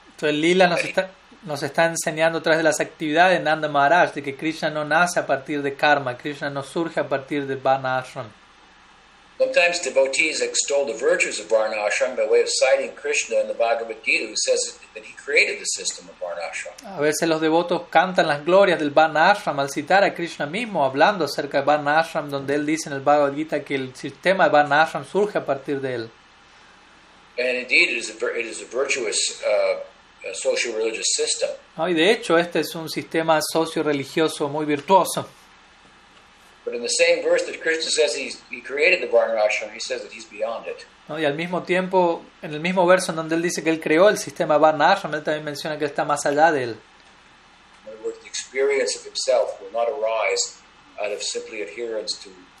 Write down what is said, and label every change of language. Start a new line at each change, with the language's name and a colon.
Spanish: Entonces Lila nos está enseñando a través de las actividades de Nanda Maharaj de que Krishna no nace a partir de karma, Krishna no surge a partir de varnashram.
English: Sometimes devotees extol the virtues of varnashram by way of citing Krishna in the Bhagavad Gita, who says that he created the system of varnashram.
Spanish: A veces los devotos cantan las glorias del varnashram al citar a Krishna mismo, hablando acerca de varnashram, donde él dice en el Bhagavad Gita que el sistema de varnashram surge a partir de él.
English: And indeed, it is a virtuous socio-religious system.
Spanish: Y de hecho, este es un sistema socio-religioso muy virtuoso.
English: But in the same verse that Krishna says he created the varnashram, he says that he's beyond it.
Spanish: Y al mismo tiempo, en el mismo verso en donde él dice que él creó el sistema varnashram, él también menciona que él está más allá de él.
English: In other words, the experience of himself will not arise out of simply adherence to the